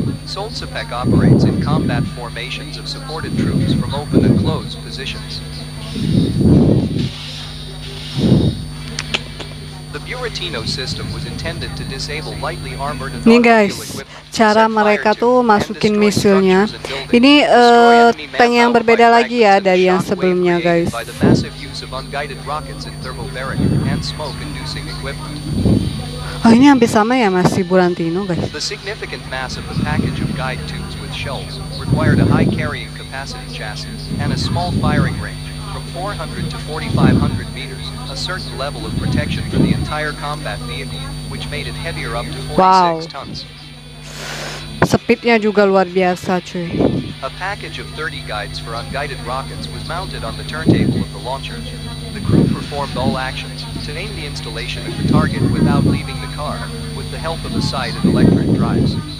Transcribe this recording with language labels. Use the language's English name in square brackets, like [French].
[English] Soltsepec operates in combat formations of supported troops from open and closed positions. The Buratino system was intended to disable lightly armored and [Indonesian] guys, cara mereka tuh masukin misilnya. Ini tank yang berbeda lagi ya dari yang sebelumnya, guys. [English] By the massive use of unguided rockets and thermobaric and smoke inducing equipment. [Indonesian] Oh, ini hampir sama ya, masih Buratino, guys. [English] The significant mass of the package of guide tubes with shells required a high carrying capacity chassis and a small firing range from 400 to 4500 meters, a certain level of protection for the entire combat vehicle, which made it heavier up to 46 tons. [Indonesian] Speednya juga luar biasa, cuy. [English] A package of 30 guides for unguided rockets was mounted on the turntable of the launcher. The crew performed all actions to aim the installation of the target without leaving the car, with the help of the sight and electric drives.